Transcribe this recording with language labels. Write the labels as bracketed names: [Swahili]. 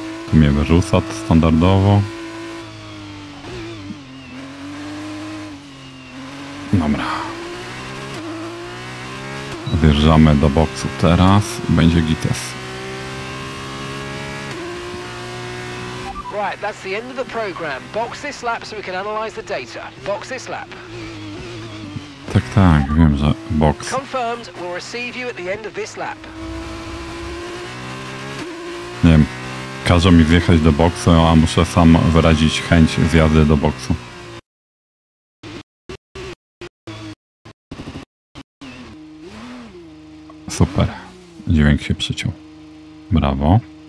[Polish] Tu mnie wyrzuca standardowo. Dobra. Wjeżdżamy do boksu teraz. Będzie gites. [English] Right, that's the end of the program. Box this lap so we can analyze the data. Box this lap. [Polish] Tak, tak, wiem, że box. [English] Confirmed, we'll receive you at the end of this lap. [Polish] Nie wiem, każą mi wjechać do boksu, a muszę sam wyrazić chęć zjazdy do boksu. Super, dźwięk się przyciął. Brawo.